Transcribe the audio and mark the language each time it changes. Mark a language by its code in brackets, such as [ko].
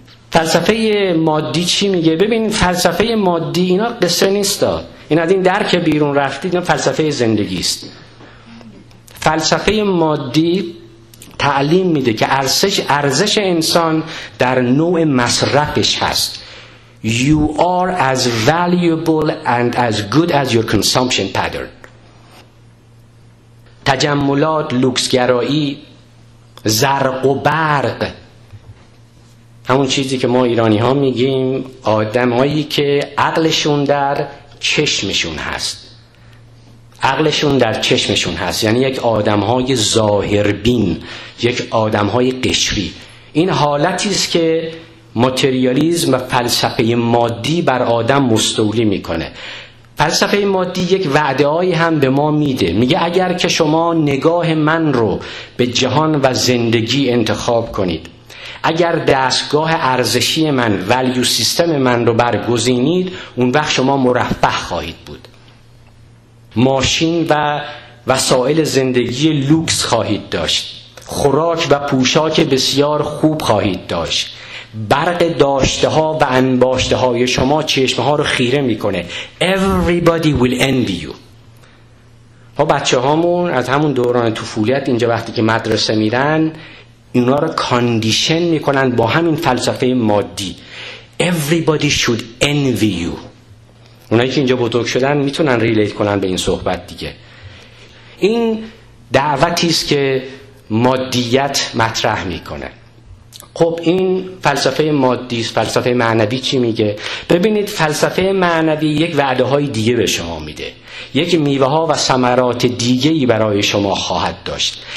[fa] فلسفه مادی چی میگه؟ ببین فلسفه مادی اینا قصه نیست، این از این درک بیرون رفتی، اینا فلسفه زندگی است. فلسفه مادی تعلیم میده که ارزش انسان در نوع مصرفش هست. [en] You are as valuable and as good as your consumption pattern. [fa] تجملات، لوکسگرائی، زرق و برق، همون چیزی که ما ایرانی ها میگیم آدمایی که عقلشون در چشمشون هست، عقلشون در چشمشون هست، یعنی یک آدم های ظاهربین، یک آدم های قشری. این حالتیست که ماتریالیزم و فلسفه مادی بر آدم مستولی میکنه. فلسفه مادی یک وعده هایی هم به ما میده، میگه اگر که شما نگاه من رو به جهان و زندگی انتخاب کنید، اگر دستگاه ارزشی من، ولیو سیستم من رو برگزینید، اون وقت شما مرفه خواهید بود، ماشین و وسایل زندگی لوکس خواهید داشت، خوراک و پوشاک بسیار خوب خواهید داشت، برق داشته ها و انباشته های شما چشمه ها رو خیره میکنه. [en] Everybody will envy you. [fa] ما بچه هامون از همون دوران طفولیت اینجا وقتی که مدرسه میرن اینا رو کاندیشن میکنن با همین فلسفه مادی. [en] Everybody should envy you. [fa] اونایی که اینجا بزرگ شدن میتونن ریلیت کنن به این صحبت دیگه. این دعوتیست که مادیت مطرح میکنه. خب این فلسفه مادی است، فلسفه معنوی چی میگه؟ ببینید فلسفه معنوی یک وعده های دیگه به شما میده، یک میوه ها و ثمرات دیگه ای برای شما خواهد داشت.